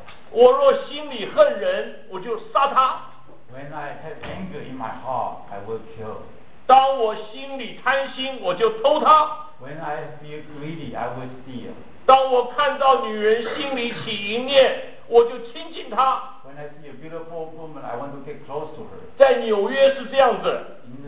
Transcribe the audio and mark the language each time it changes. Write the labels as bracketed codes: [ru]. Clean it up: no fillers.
[zh] 我若心里恨人，我就杀他。 [en] When I have anger in my heart, I will kill. [zh] 当我心里贪心，我就偷他。 [en] When I feel greedy, I will steal. [zh] 当我看到女人心里起一念，我就亲近她。 [en] When I see a beautiful woman, I want to get close to her. [zh] 在纽约是这样子。